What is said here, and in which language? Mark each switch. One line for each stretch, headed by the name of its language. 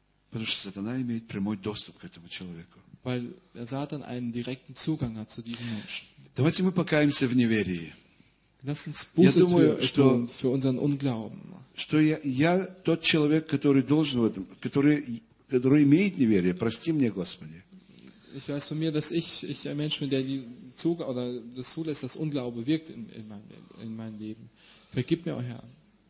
Russian: Потому что сатана имеет прямой доступ к этому человеку.
German: Weil der Satan einen direkten Zugang hat zu diesem Menschen.
Russian: Давайте мы покаемся в неверии.
German: Lass uns Buße für unseren Unglauben.
Russian: Что я тот человек, который должен в этом, который имеет неверие, прости мне, Господи.
German: Ich weiß von mir, dass ich ein Mensch bin, der die Zug oder das zulässt, dass Unglaube wirkt in meinem Leben. Vergib mir, oh Herr.